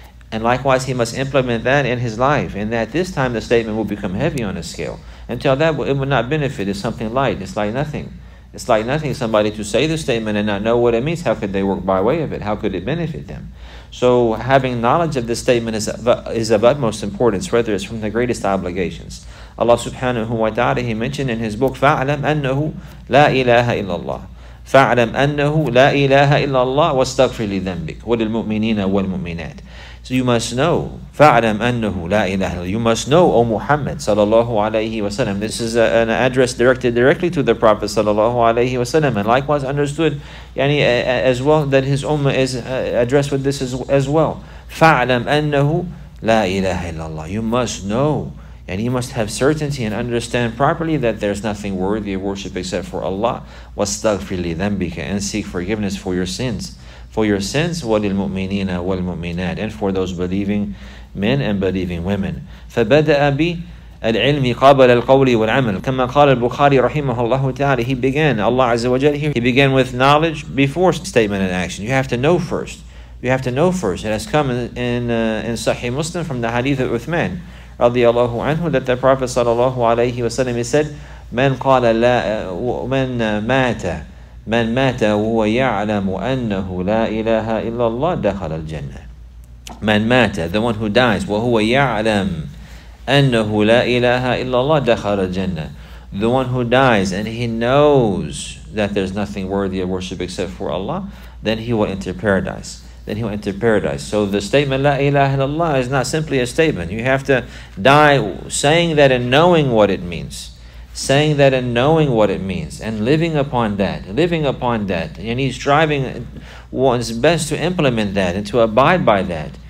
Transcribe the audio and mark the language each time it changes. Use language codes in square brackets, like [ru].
[en] And likewise, he must implement that in his life. And at this time, the statement will become heavy on a scale. Until that, it would not benefit. It's something light. It's like nothing. Somebody to say the statement and not know what it means, how could they work by way of it? How could it benefit them? So having knowledge of the statement is of utmost importance, whether it's from the greatest obligations. Allah subhanahu wa ta'ala, He mentioned in His book, [ar] فَعْلَمْ أَنَّهُ لَا إِلَهَ إِلَّا اللَّهِ فَعْلَمْ أَنَّهُ لَا إِلَهَ إِلَّا اللَّهِ وَاسْتَغْفِرْ لِذَنْبِكَ وَلِلْمُؤْمِنِينَ وَالْمُؤْمِنَاتِ. [en] So you must know, [ar] فَعْلَمْ أَنَّهُ لَا إِلَهَ إِلَّا اللَّهِ. [en] You must know, O Muhammad sallallahu alayhi wa sallam. This is an address directed directly to the Prophet sallallahu alayhi wa sallam. And likewise understood, yani, as well, that his ummah is addressed with this as well. [ar] فَعْلَمْ أَنَّهُ لَا إِلَهَ إِلَّا اللَّهِ. [en] You must know, and you must have certainty and understand properly that there's nothing worthy of worship except for Allah. [ar] وَاسْتَغْفِرْ لِذَنْبِكَ, [en] and seek forgiveness for your sins. For your sins, [ar] وَلِلْمُؤْمِنِينَ وَالْمُؤْمِنَاتِ, [en] and for those believing men and believing women. [ar] فَبَدَأَ بِالْعِلْمِ قَابَلَ الْقَوْلِ وَالْعَمَلِ كَمَّا قَالَ الْبُخَارِي رَحِمَهُ اللَّهُ تَعَالَى. [en] He began, Allah Azza wa Jalla, He began with knowledge before statement and action. You have to know first. It has come in Sahih Muslim from the Hadith of Uthman radiyallahu anhu, that the Prophet sallallahu alayhi wa sallam, he said, [ar] مَنْ قَالَ لَا مَنْ مَاتَ مَنْ مَاتَ هُوَ يَعْلَمُ أَنَّهُ لَا إِلَٰهَ إِلَّا اللَّهِ دَخَلَ الْجَنَّةِ. مَنْ مَاتَ, [en] the one who dies, [ar] وَهُوَ يَعْلَمُ أَنَّهُ لَا إِلَٰهَ إِلَّا اللَّهِ دَخَلَ الْجَنَّةِ. [en] The one who dies and he knows that there's nothing worthy of worship except for Allah, then he will enter paradise. So the statement La ilaha illallah is not simply a statement. You have to die saying that and knowing what it means. And living upon that. And he's striving one's best to implement that and to abide by that.